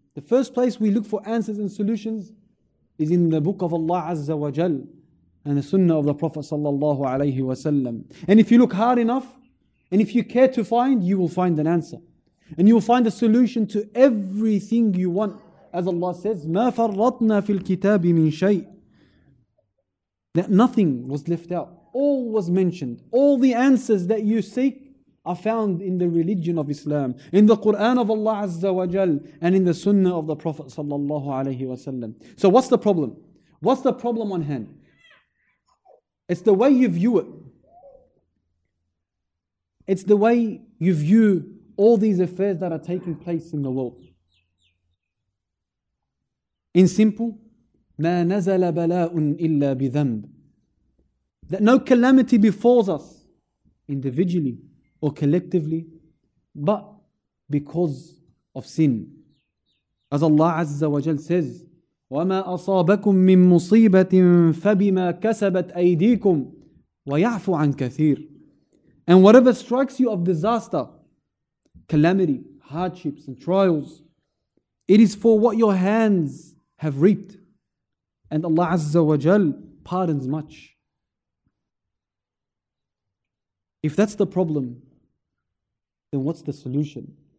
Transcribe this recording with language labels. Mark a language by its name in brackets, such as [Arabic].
[English] The first place we look for answers and solutions is in the book of Allah Azza wa Jal and the Sunnah of the Prophet sallallahu alayhi wa sallam. And if you look hard enough, and if you care to find, you will find an answer. And you will find a solution to everything you want. As Allah says, [Arabic] مَا فَرَّطْنَا فِي الْكِتَابِ مِنْ شَيْءٍ. [English] That nothing was left out. All was mentioned. All the answers that you seek are found in the religion of Islam, in the Quran of Allah Azza wa Jal, and in the Sunnah of the Prophet sallallahu alayhi wa sallam. So what's the problem? What's the problem on hand? It's the way you view it. It's the way you view all these affairs that are taking place in the world. In simple, [Arabic] مَا نَزَلَ بَلَاءٌ إِلَّا بِذَنْبٍ. [English] That no calamity befalls us individually or collectively, but because of sin. As Allah Azza wa Jal says, [Arabic] وَمَا أَصَابَكُم مِّن مُصِيبَةٍ فَبِمَا كَسَبَتْ أَيْدِيكُمْ وَيَعْفُ عَنْ كَثِيرٍ. [English] And whatever strikes you of disaster, calamity, hardships and trials, it is for what your hands have reaped. And Allah Azza wa Jal pardons much. If that's the problem, then what's the solution?